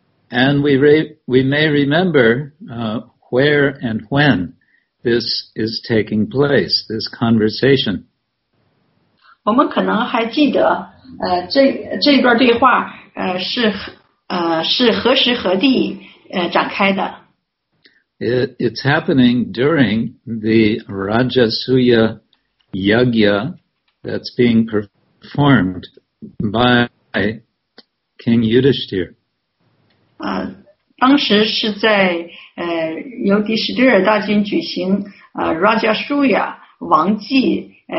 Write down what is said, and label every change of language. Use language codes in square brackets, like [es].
[en] And we may remember where and when this is taking place, this conversation. [zh] 我们可能还记得这一段对话是何时何地展开的。 [en] It's happening during the Rajasuya Yagya that's being performed by King Yudhishthir. [zh] 当时是在由迪士尼尔大军举行Rajasuya 王祭